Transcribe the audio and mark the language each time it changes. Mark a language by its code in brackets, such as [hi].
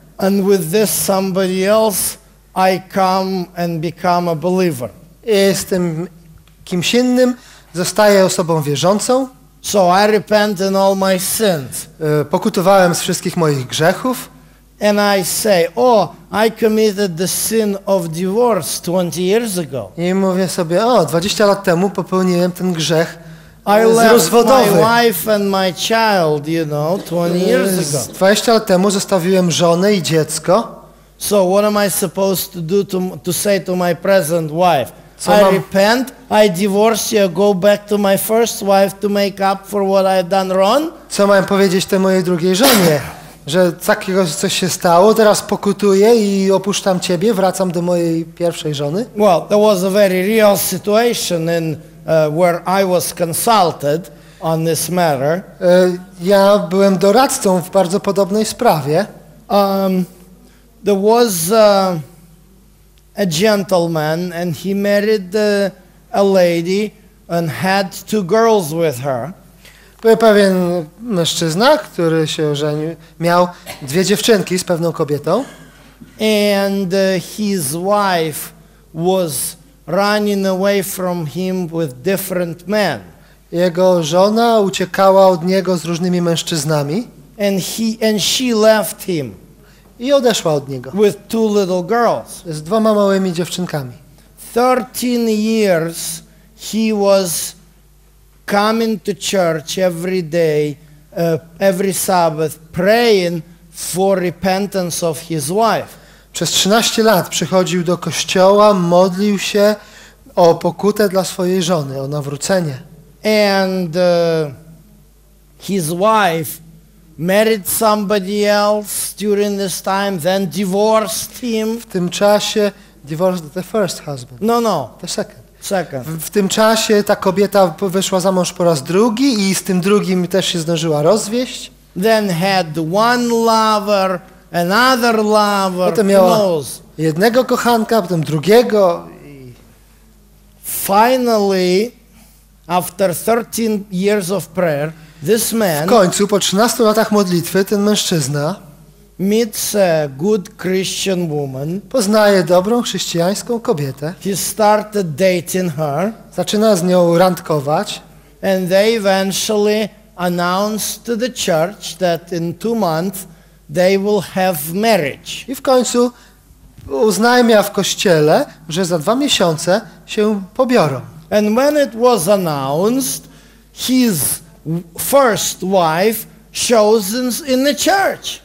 [en] And with this somebody else I come and become a believer. [pl] Jestem kimś innym, zostaję osobą wierzącą. [en] So I repent in all my sins. [pl] Pokutowałem z wszystkich moich grzechów. [en] And I say, oh, I committed the sin of divorce 20 years ago. [pl] I mówię sobie, o, 20 lat temu popełniłem ten grzech rozwodowy. [en] I left my wife and my child, you know, 20 years ago. [pl] 20 lat temu zostawiłem żonę i dziecko. [en] So what am I supposed to do to say to my present wife? I repent, I divorce you, go back to my first wife to make up for what I've done wrong? [pl] Co mam powiedzieć tej mojej drugiej żonie? Że takiego coś się stało, teraz pokutuję i opuszczam ciebie, wracam do mojej pierwszej żony. [en] Well, there was a very real situation in where I was consulted on this matter. [pl] Ja byłem doradcą w bardzo podobnej sprawie. [en] There was a gentleman and he married a lady and had two girls with her. [pl] Był pewien mężczyzna, który się żenił, miał dwie dziewczynki z pewną kobietą. [en] And his wife was running away from him with different men. [pl] Jego żona uciekała od niego z różnymi mężczyznami. [en] And she left him. [pl] I odeszła od niego. [en] With two little girls. [pl] Z dwoma małymi dziewczynkami. [en] 13 years he was coming to church every day, every Sabbath, praying for repentance of his wife. [pl] Przez 13 lat przychodził do kościoła, modlił się o pokutę dla swojej żony, o nawrócenie. [en] And his wife married somebody else during this time, then divorced him. [pl] W tym czasie [en] divorced the first husband. No, no. The second. Second. [pl] W tym czasie ta kobieta wyszła za mąż po raz drugi i z tym drugim też się zdążyła rozwieść. [en] Then had one lover, another lover. [pl] Potem miała jednego kochanka, potem drugiego. [en] Finally, after 13 years of prayer, this man. [pl] W końcu po 13 latach modlitwy ten mężczyzna [en] meets a good Christian woman. [pl] Poznaje dobrą chrześcijańską kobietę. [en] He started dating her. [pl] Zaczyna z nią randkować. [en] And they eventually announced to the church that in 2 months they will have marriage. [pl] I w końcu uznajmia w kościele, że za 2 miesiące się pobiorą. [en] And when it was announced, his first wife shows in the church.